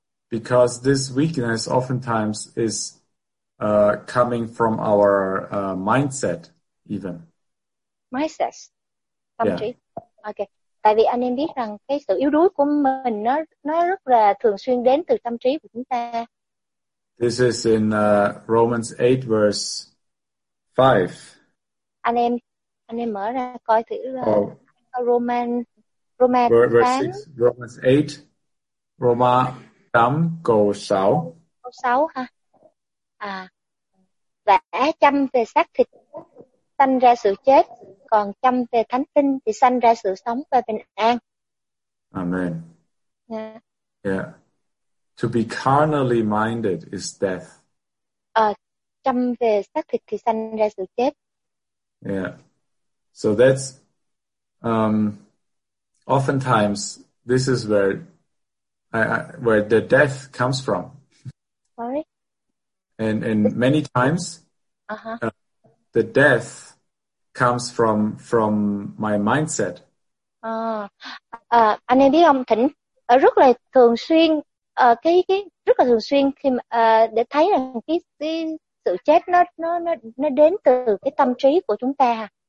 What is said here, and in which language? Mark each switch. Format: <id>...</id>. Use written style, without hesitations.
<en>Because this weakness oftentimes is coming from our mindset even. Mindset. Yeah. Okay.</en> <vi>Tại vì anh em biết rằng cái sự yếu đuối của mình nó rất là thường xuyên đến từ tâm trí của chúng ta.</vi> <en>This is in Romans 8 verse 5.</en> <vi>Anh em mở ra coi thử Romans</vi> <en>8. Verse 6, Romans 8,</en> <vi>Roma 8 câu 6. Câu 6 ha. Vả chăm về xác thịt sanh ra sự chết, còn chăm về thánh tinh thì sanh ra sự sống và bình an.</vi> <en>Amen. Yeah. Yeah. To be carnally minded is death.</en> <vi>Chăm về xác thịt thì sanh ra sự chết.</vi> <en>Yeah. So that's oftentimes this is where where the death comes from. Sorry. And many times the death comes from my mindset.</en> <vi>Anh em biết không, thỉnh rất là thường xuyên cái rất là thường xuyên khi để thấy rằng cái sự chết nó đến từ cái tâm trí của chúng ta.</vi>